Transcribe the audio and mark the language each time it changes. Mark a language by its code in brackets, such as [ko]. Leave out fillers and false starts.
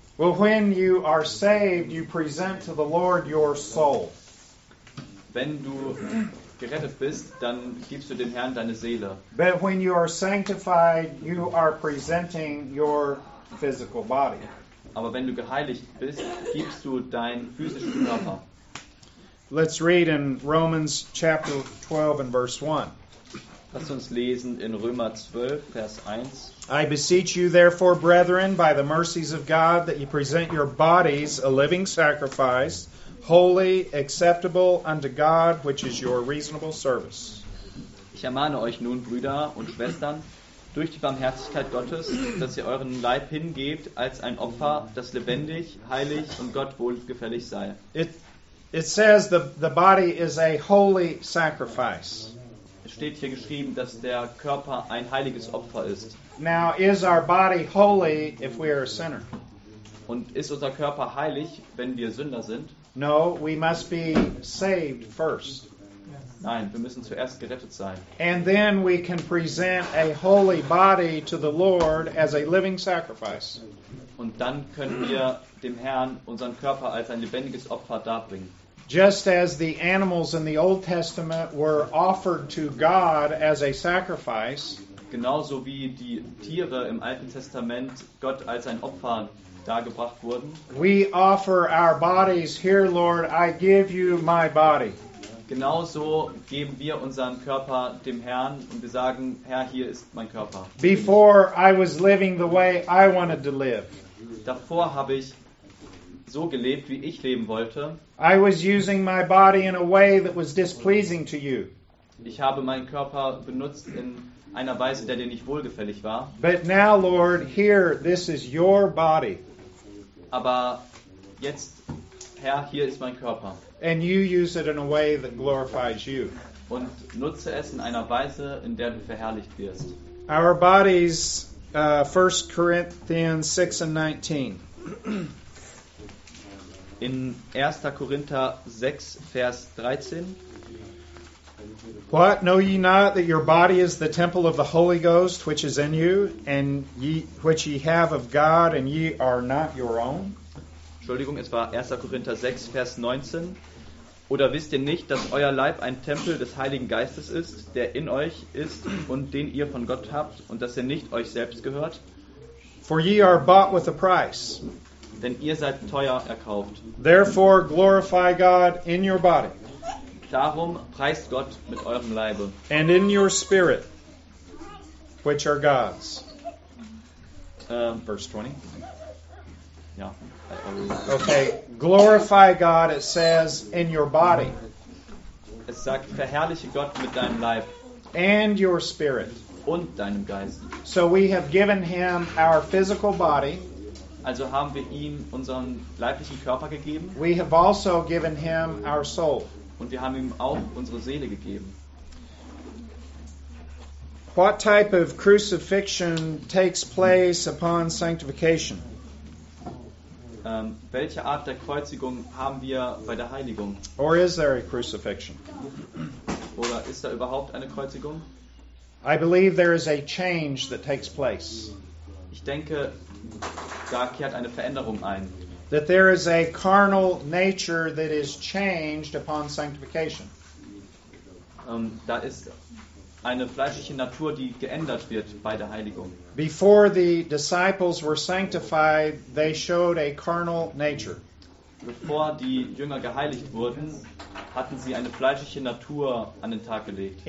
[en] Well, when you are saved, you present to the Lord your soul. [de] Wenn du gerettet bist, dann gibst du dem Herrn deine Seele. [en] But when you are sanctified, you are presenting your physical body. [de] Aber wenn du geheiligt bist, gibst du deinen physischen Körper. [en] Let's read in Romans chapter 12 and verse 1. [de] Lass uns lesen in Römer 12, Vers 1. [en] I beseech you therefore, brethren, by the mercies of God, that you present your bodies a living sacrifice, holy, acceptable unto God, which is your reasonable service. [de] Ich ermahne euch nun, Brüder und Schwestern, durch die Barmherzigkeit Gottes, dass ihr euren Leib hingebt als ein Opfer, das lebendig, heilig und Gott wohlgefällig sei. [en] It says the body is a holy sacrifice. [de] Steht hier geschrieben, dass der Körper ein heiliges Opfer ist. [en] Now is our body holy if we are a sinner? [de] Und ist unser Körper heilig, wenn wir Sünder sind? [en] No, we must be saved first. [de] Nein, wir müssen zuerst gerettet sein. [en] And then we can present a holy body to the Lord as a living sacrifice. [de] Und dann können wir dem Herrn unseren Körper als ein lebendiges Opfer darbringen. [en] Just as the animals in the Old Testament were offered to God as a sacrifice, [de] genauso wie die Tiere im Alten Testament Gott als ein Opfer dargebracht wurden, [en] we offer our bodies here, Lord, I give you my body. [de] Genauso geben wir unseren Körper dem Herrn und wir sagen, Herr, hier ist mein Körper. [en] Before I was living the way I wanted to live. [de] Davor habe ich so gelebt, wie ich leben wollte. [en] I was using my body in a way that was displeasing to you. [de] Ich habe meinen Körper benutzt in einer Weise, der dir nicht wohlgefällig war. [en] But now, Lord, here, this is your body. [de] Aber jetzt, Herr, hier ist mein Körper. [en] And you use it in a way that glorifies you. [de] Und nutze es in einer Weise, in der du verherrlicht wirst. [en] Our bodies, 1 Corinthians 6 and 19. [de] In 1. Korinther 6, Vers 13. [en] What, know ye not that your body is the temple of the Holy Ghost, which is in you, and ye, which ye have of God, and ye are not your own? [de] Entschuldigung, es war 1. Korinther 6, Vers 19. Oder wisst ihr nicht, dass euer Leib ein Tempel des Heiligen Geistes ist, der in euch ist und den ihr von Gott habt, und dass er nicht euch selbst gehört? [en] For ye are bought with a price. [de] Denn ihr seid teuer erkauft. [en] Therefore glorify God in your body. [de] Darum preist Gott mit eurem Leibe. [en] And in your spirit, which are God's. Verse 20. Yeah. Okay, glorify God, it says, in your body. [de] Es sagt, verherrliche Gott mit deinem Leib. [en] And your spirit. [de] Und deinem Geist. [en] So we have given him our physical body. [de] Also haben wir ihm unseren leiblichen Körper gegeben. [en] We have also given him our soul. [de] Und wir haben ihm auch unsere Seele gegeben. [en] What type of crucifixion takes place upon sanctification? [de] Welche Art der Kreuzigung haben wir bei der Heiligung? [en] Or is there a crucifixion? [de] Oder ist da überhaupt eine Kreuzigung? [en] I believe there is a change that takes place. [de] Ich denke, da kehrt eine Veränderung ein. [en] That there is a carnal nature that is changed upon sanctification. [de] Da ist eine fleischliche Natur, die geändert wird bei der Heiligung. [en] Before the disciples were sanctified, they showed a carnal nature. [de] Bevor die Jünger geheiligt wurden, hatten sie eine fleischliche Natur an den Tag gelegt.